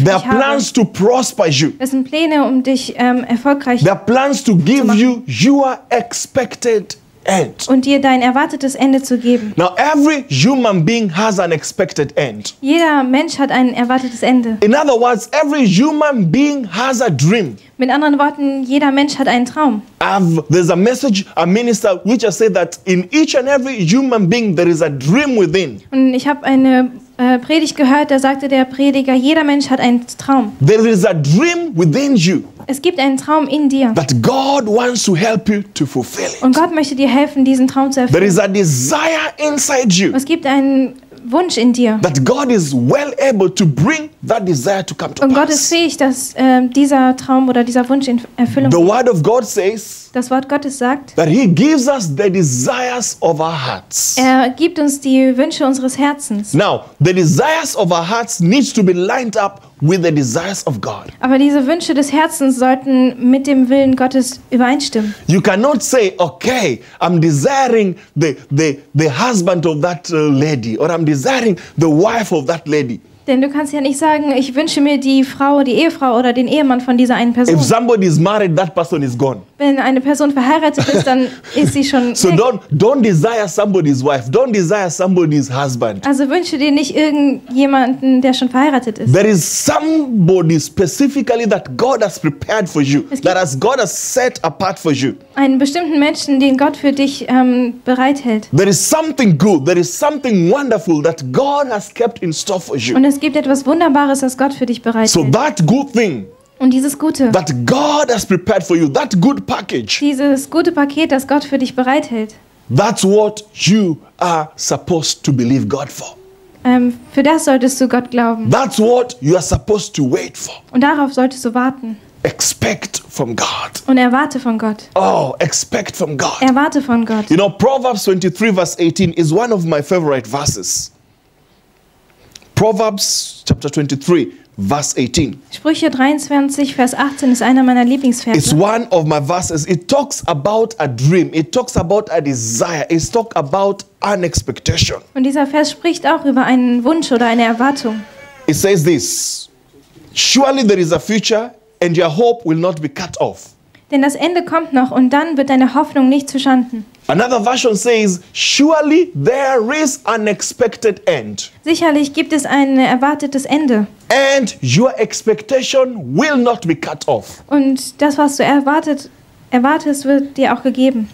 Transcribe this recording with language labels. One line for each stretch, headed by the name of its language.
German: für dich habe.
English: There are plans to prosper you.
German: Es sind Pläne, um dich erfolgreich
English: There are plans to give you your expected end.
German: Und dir dein erwartetes Ende zu geben.
English: Now every human being has an expected end.
German: Jeder Mensch hat ein erwartetes Ende.
English: In other words, every human being has a dream.
German: Mit anderen Worten, jeder Mensch hat einen Traum.
English: There's a message, a minister, which I say that in each and every human being there is a dream within.
German: Und ich habe eine Predigt gehört, da sagte der Prediger, jeder Mensch hat einen Traum.
English: There is a dream within you.
German: Es gibt einen Traum in dir.
English: That God wants to help you to fulfill it.
German: Und Gott möchte dir helfen, diesen Traum zu erfüllen.
English: There is a desire inside you.
German: Es gibt einen Wunsch in dir.
English: That God is well able to bring that desire to come to
German: Und
English: pass.
German: Und Gott ist fähig, dass dieser Traum oder dieser Wunsch in Erfüllung kommt.
English: The word of God says.
German: Das Wort Gottes sagt.
English: That he gives us the desires of our hearts.
German: Er gibt uns die Wünsche unseres Herzens.
English: Now, the desires of our hearts needs to be lined up with the desires of God.
German: Aber diese Wünsche des Herzens sollten mit dem Willen Gottes übereinstimmen.
English: You cannot say, okay, I'm desiring the husband of that lady, or I'm desiring the wife of that lady.
German: Denn du kannst ja nicht sagen, ich wünsche mir die Frau, die Ehefrau oder den Ehemann von dieser einen Person.
English: If somebody is married, that person is gone.
German: Wenn eine Person verheiratet ist, dann ist sie schon so weg.
English: Don't desire somebody's wife. Don't desire somebody's husband.
German: Also wünsche dir nicht irgendjemanden, der schon verheiratet ist.
English: There is somebody specifically that God has prepared for you, that has God has set apart for you.
German: Einen bestimmten Menschen, den Gott für dich bereithält.
English: There is something good, there is something wonderful that God has kept in store for you.
German: Und es gibt etwas Wunderbares, das Gott für dich bereithält.
English: So that good thing.
German: Und dieses Gute.
English: That God has prepared for you, that good package.
German: Dieses gute Paket, das Gott für dich bereithält.
English: That's what you are supposed to believe God for.
German: Für das solltest du Gott glauben.
English: That's what you are supposed to wait for.
German: Und darauf solltest du warten.
English: Expect from God.
German: Und erwarte von Gott.
English: Oh, expect from God.
German: Erwarte von Gott.
English: You know, Proverbs 23 verse 18 is one of my favorite verses. Proverbs chapter 23, verse 18.
German: Sprüche 23, Vers 18 ist einer meiner Lieblingsverse.
English: It's one of my verses. It talks about a dream. It talks about a desire. It talks about an expectation.
German: Und dieser Vers spricht auch über einen Wunsch oder eine Erwartung.
English: It says this: Surely there is a future, and your hope will not be cut off.
German: Denn das Ende kommt noch, und dann wird deine Hoffnung nicht zuschanden.
English: Another version says, surely there is an expected end.
German: Sicherlich gibt es ein erwartetes Ende.
English: And your expectation will not be cut off.
German: Und das, was du erwartest, wird dir auch gegeben.